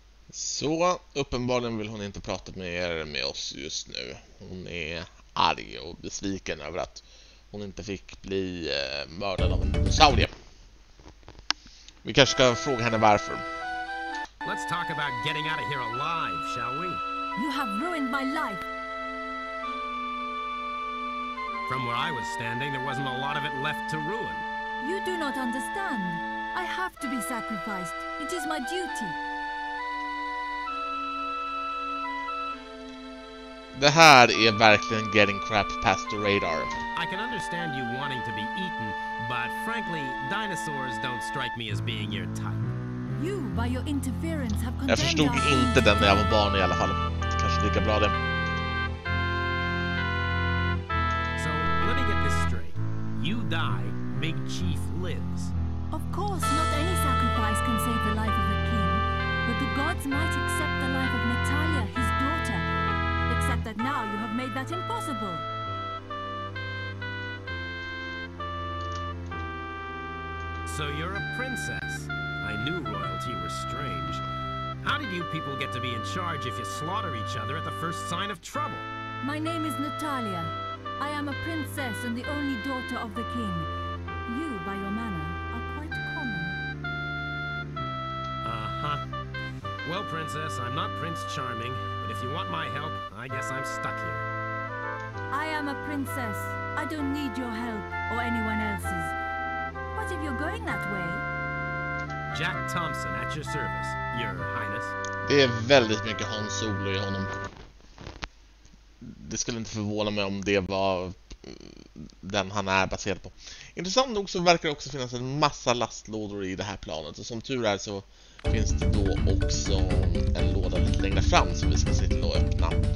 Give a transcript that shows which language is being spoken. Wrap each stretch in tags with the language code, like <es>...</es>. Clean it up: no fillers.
<sv>Så, uppenbarligen vill hon inte prata mer med oss just nu. Hon är arg och besviken över att hon inte fick bli mördad av en dinosaurie. Vi kanske ska fråga henne varför.</sv> <en>Let's talk about getting out of here alive, shall we? You have ruined my life. From where I was standing, there wasn't a lot of it left to ruin. You do not understand. I have to be sacrificed. It is my duty.</en> <sv>Det här är verkligen</sv> <en>getting crap past the radar. I can understand you wanting to be eaten, but frankly, dinosaurs don't strike me as being your type. You, by your interference, have condemned.</en> <sv>Jag förstod inte den när jag var barn i alla fall. Kanske lika bra det.</sv> <en>So, let me get this straight. You die. Big Chief lives. Of course, not any sacrifice can save the life of a king. But the gods might accept the life of Natalia, his daughter. Except that now you have made that impossible. So you're a princess. I knew royalty was strange. How did you people get to be in charge if you slaughter each other at the first sign of trouble? My name is Natalia. I am a princess and the only daughter of the king. You, by your manner, are quite common. Uh-huh. Well, princess, I'm not Prince Charming, but if you want my help, I guess I'm stuck here. I am a princess. I don't need your help or anyone else's. But if you're going that way... Jack Thompson at your service, your highness.</en> <sv>Det är väldigt mycket Han Solo i honom. Det skulle inte förvåna mig om det var den han är baserad på. Intressant nog så verkar det också finnas en massa lastlådor i det här planet. Och som tur är så finns det då också en låda lite längre fram som vi ska se till att öppna.</sv>